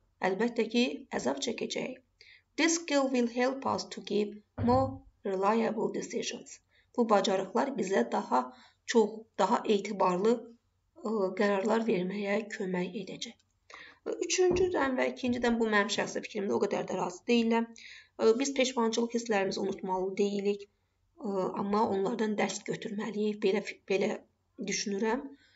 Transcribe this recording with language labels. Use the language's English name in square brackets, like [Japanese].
[Azerbaijani] Əlbəttə ki, əzab çəkəcəyik. [English] This skill will help us to give more reliable decisions. [Azerbaijani] Bu bacarıqlar bizə daha çox, daha etibarlı qərarlar verməyə kömək edəcək. Üçüncüdən və ikincidən bu mənim şəxsi fikrimdə o qədər də razı deyiləm. Biz peşmançılıq hisslərimizi unutmalı deyilik, amma onlardan dərs götürməliyik, belə düşünürəm.